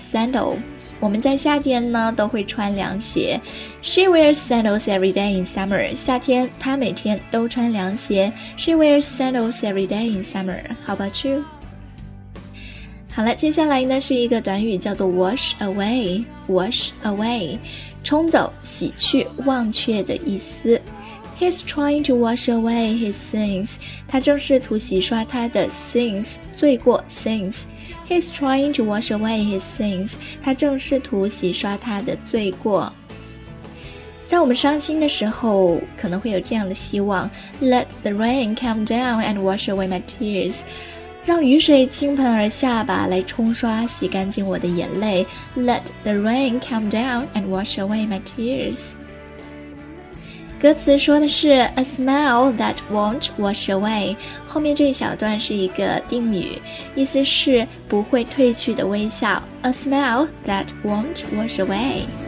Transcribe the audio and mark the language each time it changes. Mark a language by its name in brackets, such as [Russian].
[Chinese] Sandal, 我们在夏天呢都会穿凉鞋。 [English] She wears sandals every day in summer. [Chinese] 夏天她每天都穿凉鞋。 [English] She wears sandals every day in summer. How about you? [Chinese] 好了，接下来呢是一个短语叫做 wash away, wash away. 冲走、洗去、忘却的意思。 [English] He's trying to wash away his sins. [Chinese] 他正试图洗刷他的 sins, 罪过 sins. [English] He's trying to wash away his sins. [Chinese] 他正试图洗刷他的罪过。在我们伤心的时候，可能会有这样的希望： [English] Let the rain come down and wash away my tears. [Chinese] 让雨水倾盆而下吧，来冲刷洗干净我的眼泪。 [English] Let the rain come down and wash away my tears。 [Chinese] 歌词说的是 [English] A smile that won't wash away， [Chinese] 后面这一小段是一个定语，意思是不会褪去的微笑。 [English] A smile that won't wash away。